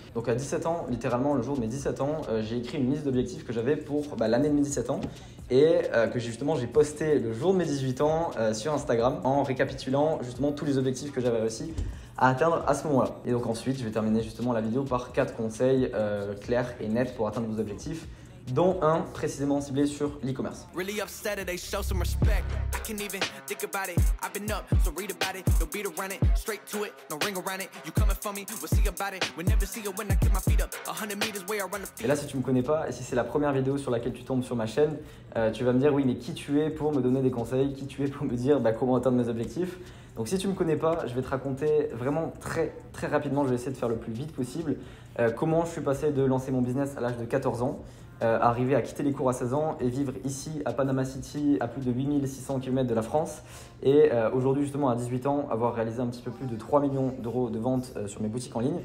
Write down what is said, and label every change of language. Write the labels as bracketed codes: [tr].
[fr] Donc à 17 ans, littéralement, le jour de mes 17 ans, j'ai écrit une liste d'objectifs que j'avais pour l'année de mes 17 ans et que justement j'ai posté le jour de mes 18 ans sur Instagram en récapitulant justement tous les objectifs que j'avais réussi à atteindre à ce moment-là. Et donc ensuite, je vais terminer justement la vidéo par 4 conseils clairs et nets pour atteindre vos objectifs, dont un précisément ciblé sur l'e-commerce. [en] Really upset, they show some respect. I can't even think about it. I've been up, so read about it. No beat around it, straight to it, no ring around it. You coming for me, we'll see about it. We never see it when I get my feet up. 100 meters where I run the field. [fr] Et là, si tu me connais pas, et si c'est la première vidéo sur laquelle tu tombes sur ma chaîne, tu vas me dire, oui, mais qui tu es pour me donner des conseils? Qui tu es pour me dire comment atteindre mes objectifs? Donc si tu me connais pas, je vais te raconter vraiment très très rapidement, je vais essayer de faire le plus vite possible, comment je suis passé de lancer mon business à l'âge de 14 ans, arriver à quitter les cours à 16 ans et vivre ici à Panama City à plus de 8600 km de la France et aujourd'hui justement à 18 ans avoir réalisé un petit peu plus de 3 millions d'euros de ventes sur mes boutiques en ligne.